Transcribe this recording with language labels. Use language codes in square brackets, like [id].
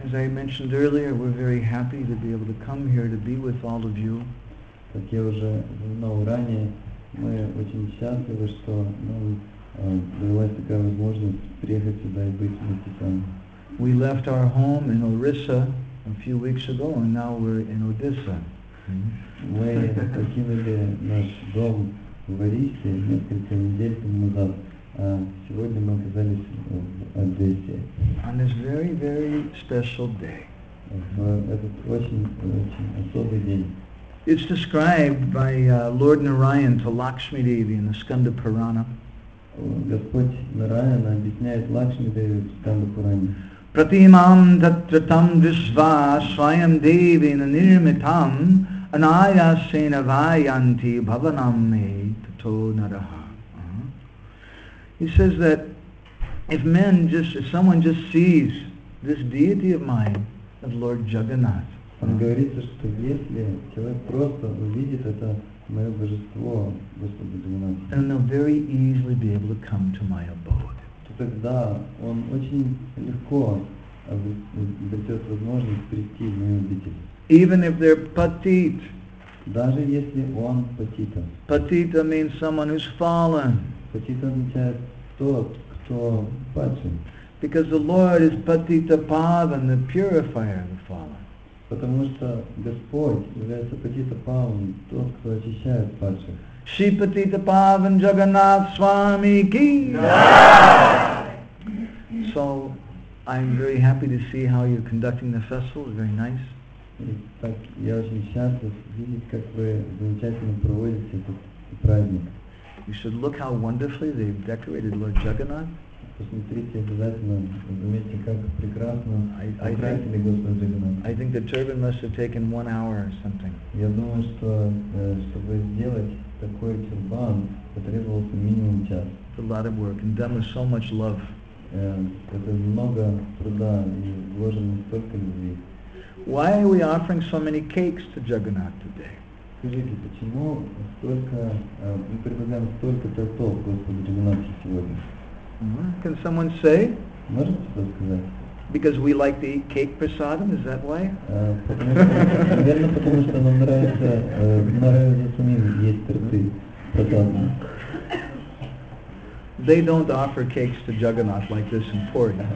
[en] mentioned earlier, we're very happy to be able to come here to be with all of you. [ru] Как я уже знал ранее, мы очень счастливы, что нам появилась такая возможность приехать сюда и быть вместе с вами. [en] We left our home in Orissa a few weeks ago, and now we're in Odisha. [ru] Мы покинули наш дом в Орисе несколько недель тому назад. Сегодня мы оказались в Одессе. [en] On this very, very special day. [ru] Этот очень, очень особый день. [en] It's described by Lord Narayan to Lakshmi Devi in the Skanda Purana. [ru] Господь Нараяна объясняет Лакшми Деви в Сканда Пуране. [sa] Пратимам таттратам висва свайам деви на нирмитам анаясена вайанти бхаванам ме тато нараха. [en] He says that if someone just sees this deity of mine, of Lord Jagannath. [ru] Он говорит, что если человек просто увидит это мое божество, Господь Джагнат, [en] then they'll very easily be able to come to my abode. [ru] Тогда он очень легко обретет возможность прийти в мою обитель. [en] Even if they're patit. [ru] Даже если он патита. [en] Patita means someone who's fallen. [ru] Патита означает тот, кто падший. [en] Because the Lord is Patita Pavan, the purifier of the fallen. [ru] Потому что Господь является Патита Паван, тот, кто очищает падших. [hi] Shri Patita Pavan Jagannath Swami Ki. [en] So I'm very happy to see how you're conducting the festival. It's very nice. [ru] Так я очень счастлив видеть, как вы замечательно проводите этот праздник. [en] You should look how wonderfully they've decorated Lord Jagannath. [ru] Посмотрите обязательно, заметьте, как прекрасно украсили Господа Джаганнатха. [en] I think the turban must have taken 1 hour or something. [ru] Я думаю, что чтобы сделать такой тюрбан, потребовался минимум час. [en] It's a lot of work, and done with so much love. [ru] это много труда и вложено столько любви. [en] Why are we offering so many cakes to Jagannath today? [ru] Скажите, почему столько мы предлагаем столько тортов Господу Джагнату сегодня? [en] Can someone say? [ru] Можете это сказать? [en] Because we like to eat cake prasadam, is that why? [ru] Наверное, потому что нам нравится самим есть торты прасадам. [en] They don't offer cakes to Jagannath like this in Puri.